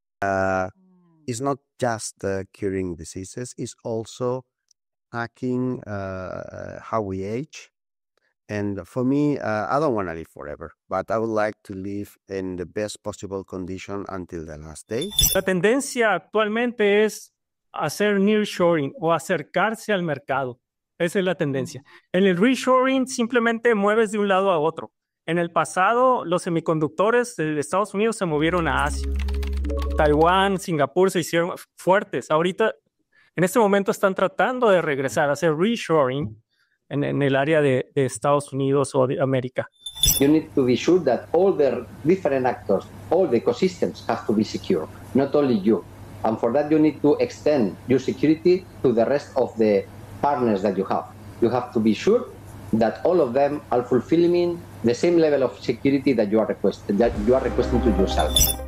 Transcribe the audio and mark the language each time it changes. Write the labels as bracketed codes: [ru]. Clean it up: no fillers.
[en] It's not just curing diseases. It's also hacking how we age. And for me, I don't want to live forever, but I would like to live in the best possible condition until the last day. [es] La tendencia actualmente es hacer nearshoring o acercarse al mercado. Esa es la tendencia. En el reshoring simplemente mueves de un lado a otro. En el pasado, los semiconductores de Estados Unidos se movieron a Asia. Taiwán, Singapur se hicieron fuertes. Ahorita, en este momento, están tratando de regresar a hacer reshoring en el área de Estados Unidos o de América. [en] You need to be sure that all the different actors, all the ecosystems have to be secure, not only you. And for that, you need to extend your security to the rest of the partners that you have. You have to be sure that all of them are fulfilling the same level of security that you are requesting to yourself.